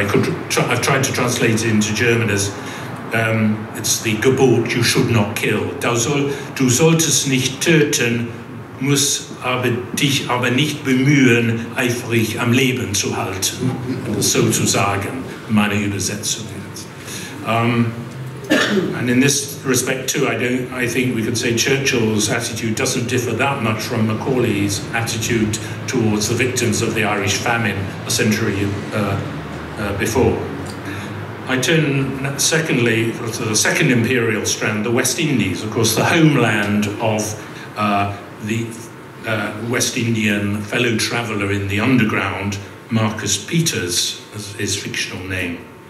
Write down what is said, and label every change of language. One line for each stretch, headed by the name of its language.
English: I've tried to translate it into German as it's the Gebot you should not kill.
German: Du solltest nicht töten, musst aber dich aber nicht bemühen, eifrig am Leben zu halten, so zu sagen, meine Übersetzung.
English: And in this respect too, I think we could say Churchill's attitude doesn't differ that much from Macaulay's attitude towards the victims of the Irish famine a century before. I turn secondly to the second imperial strand, the West Indies, of course the homeland of the West Indian fellow traveller in the underground, Marcus Peters, as his fictional name.